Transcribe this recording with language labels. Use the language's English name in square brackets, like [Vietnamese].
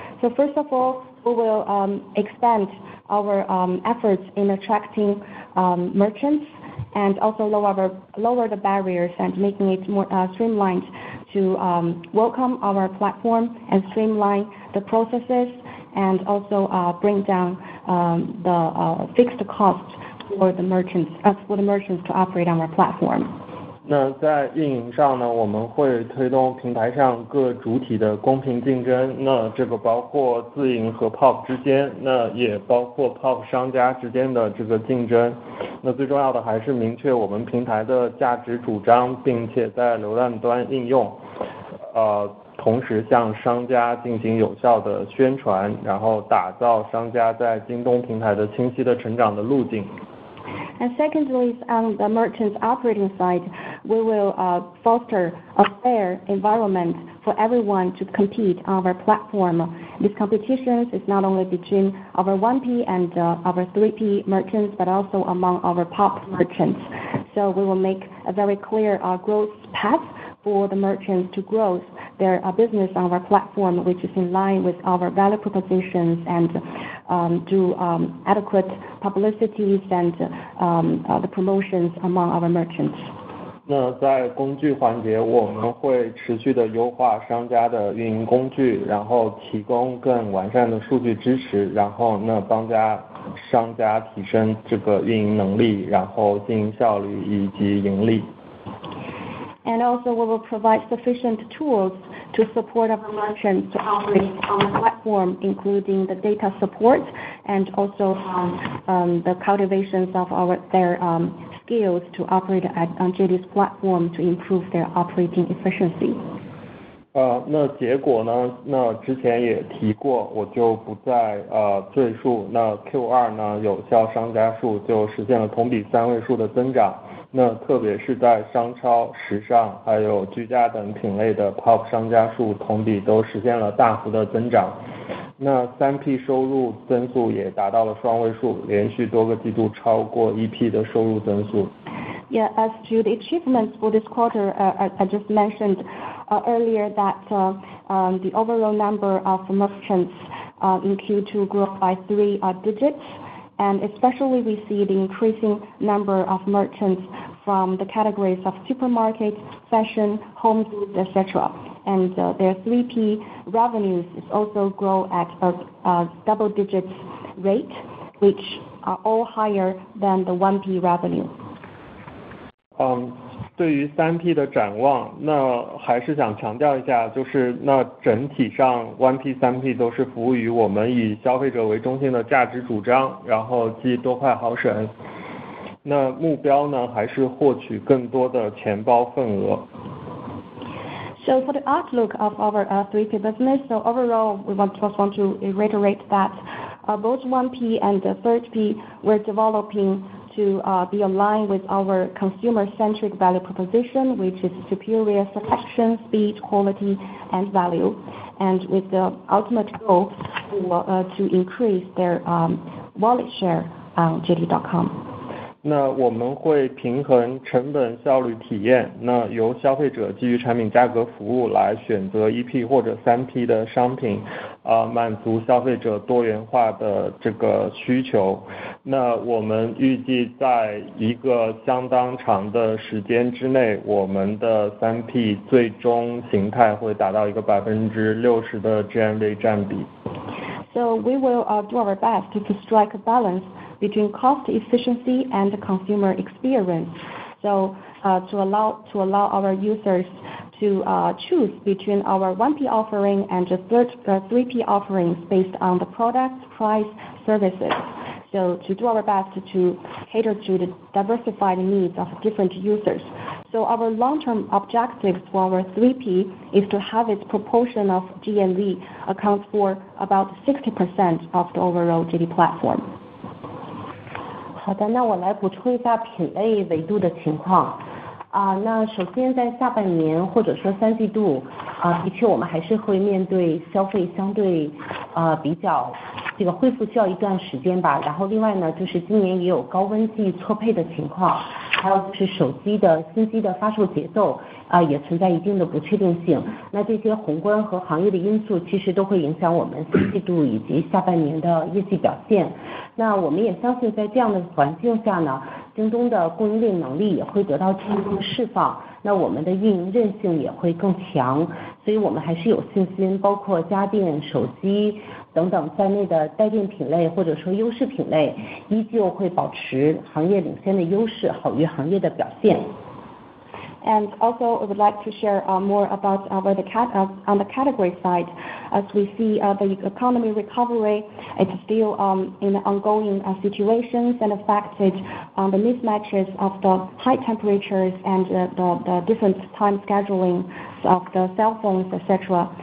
[English] So first of all, we will expand our efforts in attracting merchants and also lower the barriers and making it more streamlined to welcome our platform and streamline the processes and also bring down the fixed costs for the merchants to operate on our platform. [Chinese] 那在运营上呢，我们会推动平台上各主体的公平竞争，那这个包括自营和 POP 之间，那也包括 POP 商家之间的这个竞争。那最重要的还是明确我们平台的价值主张，并且在流量端应用，同时向商家进行有效的宣传，然后打造商家在京东平台的清晰的成长的路径。 [English] And secondly, on the merchant's operating side, we will foster a fair environment for everyone to compete on our platform. This competition is not only between our 1P and our 3P merchants, but also among our POP merchants. So we will make a very clear growth path for the merchants to grow their business on our platform, which is in line with our value propositions and do adequate publicities and the promotions among our merchants. [Chinese] 那在工具环节，我们会持续的优化商家的运营工具，然后提供更完善的数据支持，然后那帮家商家提升这个运营能力，然后经营效率以及盈利。 [English] And also we will provide sufficient tools to support our merchants to operate on the platform, including the data support and also the cultivations of their skills to operate on JD's platform to improve their operating efficiency. [Chinese] 那结果呢？那之前也提过，我就不再赘述。那 Q2 呢，有效商家数就实现了同比三位数的增长。那特别是在商超、时尚还有居家等品类的 POP 商家数同比都实现了大幅的增长，那 3P 收入增速也达到了双位数，连续多个季度超过 1P 的收入增速。 [English] Yeah, as to the achievements for this quarter, I just mentioned earlier that the overall number of merchants in Q2 grew by three digits. And especially we see the increasing number of merchants from the categories of supermarkets, fashion, home goods, etc. And their 3P revenues also grow at a double-digit rate, which are all higher than the 1P revenue. [Chinese] 对于 3P 的展望，那还是想强调一下，就是那整体上 1P、3P 都是服务于我们以消费者为中心的价值主张，然后即多快好省。那目标呢，还是获取更多的钱包份额。 [English] So for the outlook of our 3P business, so overall we want to reiterate that both 1P and 3P we're developing to be aligned with our consumer-centric value proposition, which is superior selection, speed, quality, and value, and with the ultimate goal to increase their wallet share on JD.com. [Chinese] 那我们会平衡成本、效率、体验，那由消费者基于产品价格服务来选择 1P 或者 3P 的商品，满足消费者多元化的这个需求。那我们预计在一个相当长的时间之内，我们的 3P 最终形态会达到一个60%的 GMV 占比。 [English] So we will do our best to strike a balance between cost efficiency and consumer experience. So to allow our users to choose between our 1P offering and the 3P offerings based on the product, price, services. So to do our best to cater to the diversified needs of different users. So our long-term objective for our 3P is to have its proportion of GMV account for about 60% of the overall JD platform. [Chinese] 好的，那我来补充一下品类维度的情况。那首先在下半年或者说三季度，的确我们还是会面对消费相对比较这个恢复需要一段时间吧。然后另外呢，就是今年也有高温季错配的情况，还有就是手机的新机的发售节奏也存在一定的不确定性。那这些宏观和行业的因素其实都会影响我们三季度以及下半年的业绩表现。那我们也相信在这样的环境下呢，京东的供应链能力也会得到进一步释放，那我们的运营韧性也会更强，所以我们还是有信心，包括家电、手机等等在内的带电品类或者说优势品类，依旧会保持行业领先的优势，好于行业的表现。 [English] And also, I would like to share more about on the category side, as we see the economy recovery, it's still in ongoing situations and affected the mismatches of the high temperatures and the different time scheduling of the cell phones, etc.